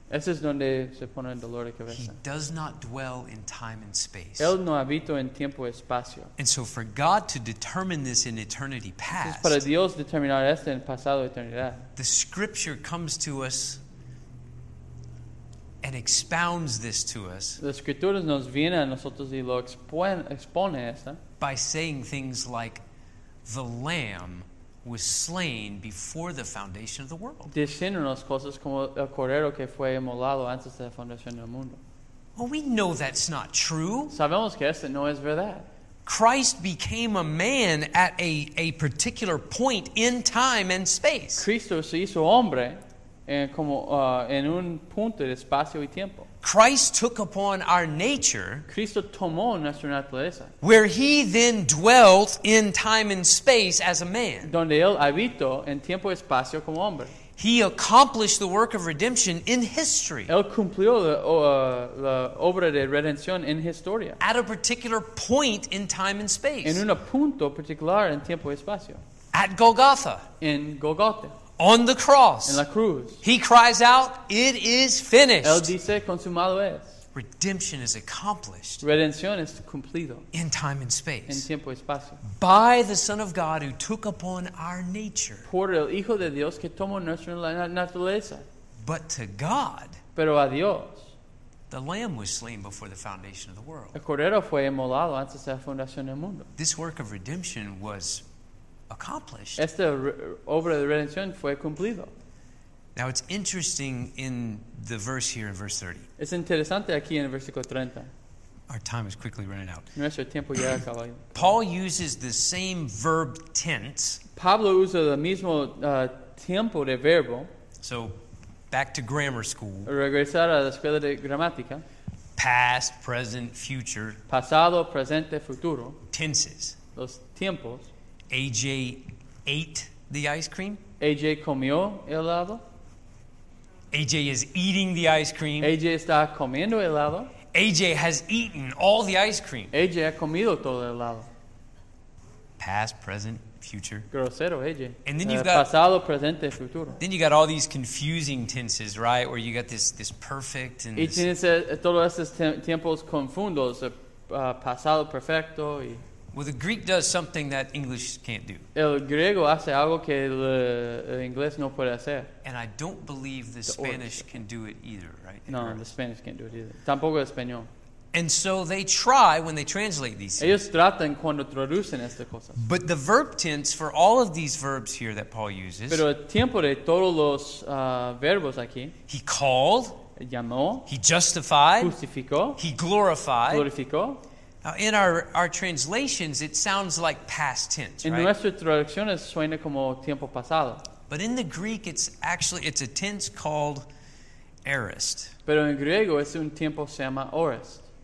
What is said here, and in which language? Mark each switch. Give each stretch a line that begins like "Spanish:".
Spanish: Ese es donde se pone el dolor de cabeza.
English: He does not dwell in time and space.
Spanish: Él no habita en tiempo y espacio.
English: And so for God to determine this in eternity past,
Spanish: para Dios determinar esto en pasado eternidad,
English: the scripture comes to us and expounds this to us.
Spanish: La escritura nos viene a nosotros y lo expone esta.
English: By saying things like, the Lamb was slain before the foundation of the world.
Spanish: Diciéndonos cosas como el cordero que fue inmolado antes de la fundación del mundo.
English: Well, we know that's not true.
Spanish: Sabemos que esto no es verdad.
English: Christ became a man at a particular point in time and space.
Spanish: Cristo se hizo hombre en un punto de espacio y tiempo.
English: Christ took upon our nature.
Spanish: Cristo tomó nuestra naturaleza.
English: Where he then dwelt in time and space as a man.
Spanish: Donde él habitó en tiempo y espacio como hombre.
English: He accomplished the work of redemption in history.
Spanish: Él cumplió la obra de redención en historia.
English: At a particular point in time and space.
Spanish: En un punto particular en tiempo y espacio.
English: At Golgotha.
Spanish: En Golgotha.
English: On the cross.
Spanish: En la cruz.
English: He cries out, "It is finished."
Spanish: Él dice, "Consumado es."
English: Redemption is accomplished.
Spanish: Redención es cumplido.
English: In time and space.
Spanish: En tiempo y espacio.
English: By the Son of God who took upon our nature.
Spanish: Por el Hijo de Dios que tomó nuestra naturaleza.
English: But to God.
Spanish: Pero a Dios.
English: The Lamb was slain before the foundation of the world.
Spanish: El Cordero fue inmolado antes de la fundación del mundo.
English: This work of redemption was accomplished.
Spanish: Esta obra de redención fue cumplido.
English: Now it's interesting in the verse here in verse 30.
Spanish: Es interesante aquí en el versículo 30.
English: Our time is quickly running out.
Spanish: Nuestro tiempo ya acaba.
English: Paul uses the same verb tense.
Spanish: Pablo usa el mismo tiempo de verbo.
English: So back to grammar school.
Spanish: Regresar a la escuela de gramática.
English: Past, present, future.
Spanish: Pasado, presente, futuro.
English: Tenses.
Spanish: Los tiempos.
English: AJ ate the ice cream.
Spanish: AJ comió helado.
English: AJ is eating the ice cream.
Spanish: AJ está comiendo helado.
English: AJ has eaten all the ice cream.
Spanish: AJ ha comido todo el helado.
English: Past, present, future.
Spanish: Grosero, AJ.
English: And then you've got
Spanish: pasado, presente, futuro.
English: Then you got all these confusing tenses, right? Where you got this perfect and
Spanish: y tienes todos estos tiempos confundos, pasado perfecto y.
English: Well, the Greek does something that English can't do.
Spanish: El griego hace algo que el inglés no puede hacer.
English: And I don't believe the Spanish can do it either, right? No, the Spanish can't do it either.
Spanish: Tampoco el español.
English: And so they try when they translate these
Spanish: ellos
English: things.
Spanish: Ellos tratan cuando traducen estas cosas.
English: But the verb tense for all of these verbs here that Paul uses.
Spanish: Pero el tiempo de todos los verbos aquí.
English: He called.
Spanish: Llamó.
English: He justified.
Spanish: Justificó.
English: He glorified.
Spanish: Glorificó.
English: Now, in our translations, it sounds like past tense,
Spanish: en
English: right?
Spanish: En nuestras traducciones suena como tiempo pasado.
English: But in the Greek, it's a tense called aorist.
Spanish: Pero en griego es un tiempo se llama aorist.